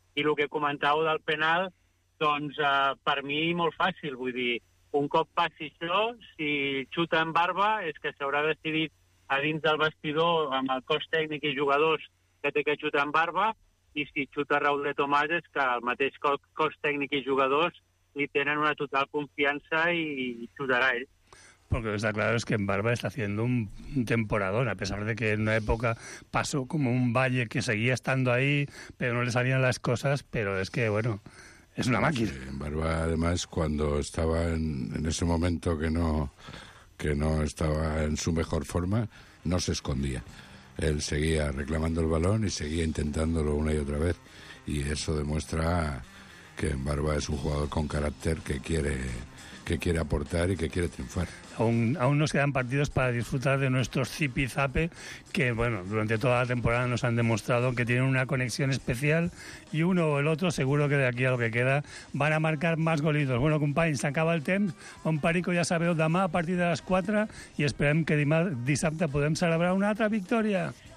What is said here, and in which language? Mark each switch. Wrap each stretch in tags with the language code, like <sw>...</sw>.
<ca>I el que comentàveu del penal, doncs per mi molt fàcil, vull dir, un cop passi això, si xuta en Barba, és que s'haurà decidit a dins del vestidor amb el cos tècnic i jugadors que té que xutar en Barba, i si xuta Raúl de Tomàs és que el mateix cos tècnic i jugadors li tenen una total confiança i xutarà ell.</ca> <es>Porque está claro es que en Barba está haciendo un temporadón, a pesar de que en una época pasó como un valle que seguía estando ahí, pero no le salían las cosas, pero es que, bueno, es una máquina. En Barba, además, cuando estaba en ese momento que no estaba en su mejor forma, no se escondía. Él seguía reclamando el balón y seguía intentándolo una y otra vez. Y eso demuestra que en Barba es un jugador con carácter que quiere aportar y que quiere triunfar. Aún nos quedan partidos para disfrutar de nuestros zipizape, que bueno, durante toda la temporada nos han demostrado que tienen una conexión especial, y uno o el otro, seguro que de aquí a lo que queda, van a marcar más golitos.</es> <ca>Bueno, compañeros, se acaba el temps. Un parico ya sabeu, demà a partir de les 4, i esperem que dissabte podem celebrar una altra victòria.</ca>